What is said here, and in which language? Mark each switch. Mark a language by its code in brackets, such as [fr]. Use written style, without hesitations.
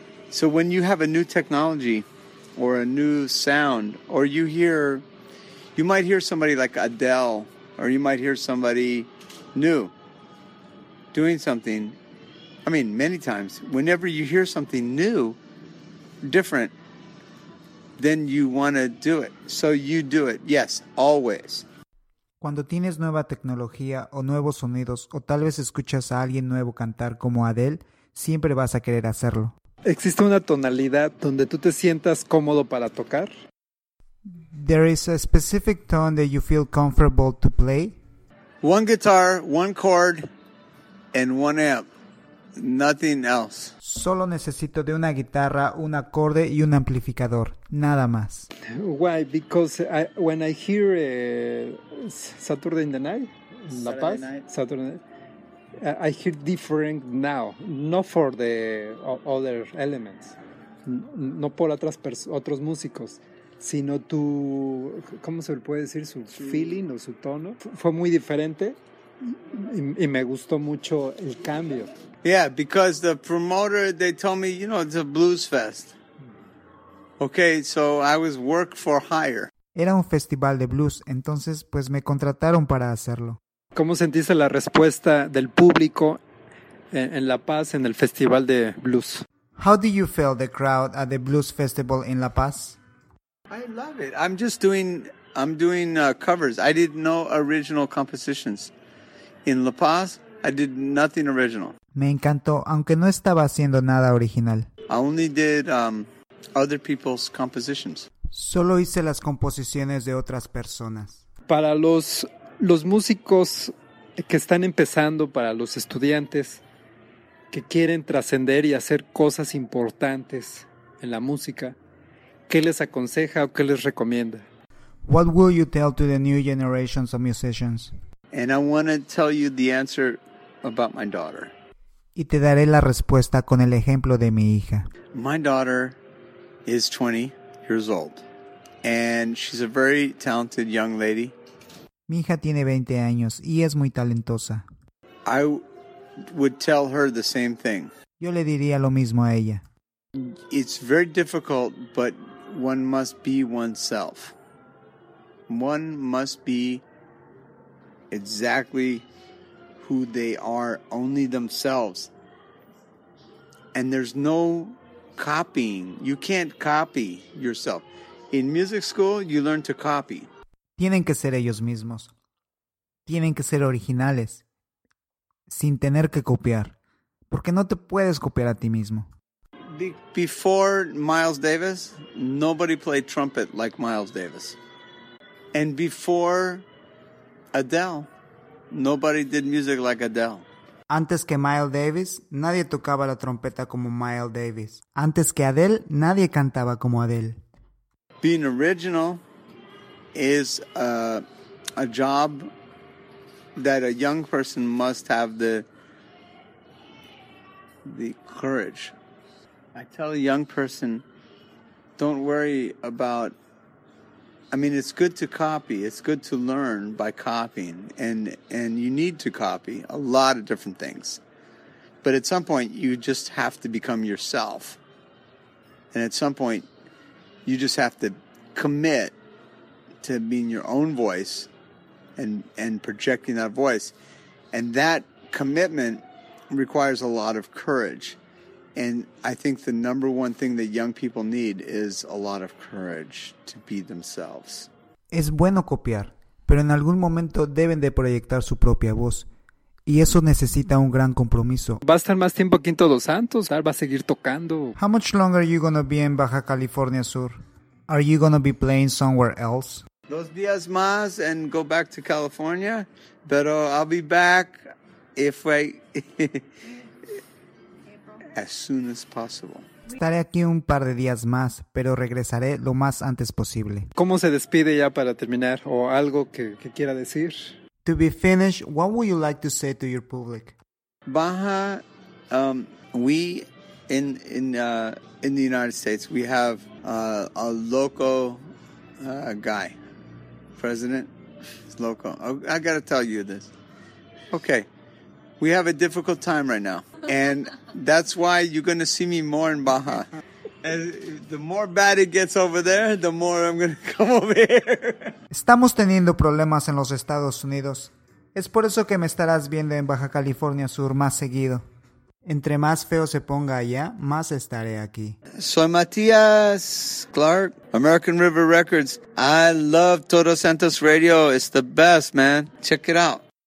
[en] So when you have a new technology or a new sound, or you might hear somebody like Adele, or you might hear somebody new doing something. I mean, many times, whenever you hear something new, different, then you want to do it. So you do it. Yes, always. [es] Cuando tienes nueva tecnología o nuevos sonidos, o tal vez escuchas a alguien nuevo cantar como Adele, siempre vas a querer hacerlo. ¿Existe una tonalidad donde tú te sientas cómodo para tocar? [en] There is a specific tone that you feel comfortable to play. One guitar, one chord, and one amp. Nothing else. [es] Solo necesito de una guitarra, un acorde y un amplificador. Nada más. [en] Why? Because when I hear Saturday in the Night, La Paz, I hear different now. Not for the other elements. [es] No por otros músicos. Sino tu, ¿cómo se le puede decir? Su feeling o su tono. Fue muy diferente y me gustó mucho el cambio. [en] Yeah, because the promoter, they told me, you know, it's a blues fest. Okay, so I was work for hire. [es] Era un festival de blues, entonces pues me contrataron para hacerlo. ¿Cómo sentiste la respuesta del público en La Paz, en el festival de blues? [en] How do you feel the crowd at the blues festival in La Paz? I love it. I'm doing covers. I did no original compositions. In La Paz, I did nothing original. [es] Me encantó, aunque no estaba haciendo nada original. [en] I only did other people's compositions. [es] Solo hice las composiciones de otras personas. Para los músicos que están empezando, para los estudiantes que quieren trascender y hacer cosas importantes en la música, ¿qué les aconseja o qué les recomienda? [en] What will you tell to the new generations of musicians? And I want to tell you the answer about my daughter. [es] Y te daré la respuesta con el ejemplo de mi hija. [en] My daughter is 20 years old. And she's a very talented young lady. [es] Mi hija tiene 20 años y es muy talentosa. [en] I would tell her the same thing. [es] Yo le diría lo mismo a ella. [en] It's very difficult, but one must be oneself. One must be exactly who they are, only themselves. And there's no copying. You can't copy yourself. In music school, you learn to copy. [es] Tienen que ser ellos mismos. Tienen que ser originales. Sin tener que copiar. Porque no te puedes copiar a ti mismo. [en] Before Miles Davis, nobody played trumpet like Miles Davis. And before Adele, nobody did music like Adele. [es] Antes que Miles Davis, nadie tocaba la trompeta como Miles Davis. Antes que Adele, nadie cantaba como Adele. [en] Being original is a job that a young person must have the courage. I tell a young person, don't worry about, I mean, it's good to copy. It's good to learn by copying. And you need to copy a lot of different things. But at some point, you just have to become yourself. And at some point, you just have to commit to being your own voice and projecting that voice. And that commitment requires a lot of courage. And I think the number one thing that young people need is a lot of courage to be themselves. [es] Es bueno copiar, pero en algún momento deben de proyectar su propia voz. Y eso necesita un gran compromiso. ¿Va a estar más tiempo aquí en Todos Santos? ¿Va a seguir tocando? [en] How much longer are you going to be in Baja California Sur? Are you going to be playing somewhere else? [es] 2 días más [en] and go back to California. [es] Pero [en] I'll be back if I... as soon as possible. [es] Estaré aquí un par de días más, pero regresaré lo más antes posible. ¿Cómo se despide ya para terminar? ¿O algo que quiera decir? [en] To be finished, what would you like to say to your public? Baja, we in the United States, we have a loco guy. President, it's loco. I gotta tell you this. Okay, we have a difficult time right now. And that's why you're gonna see me more in Baja. And the more bad it gets over there, the more I'm going to come over here. [es] Estamos teniendo problemas en los Estados Unidos. Es por eso que me estarás viendo en Baja California Sur más seguido. Entre más feo se ponga allá, más estaré aquí. Soy [en] Matías Clark, American River Records. I love Todos Santos Radio. It's the best, man. Check it out.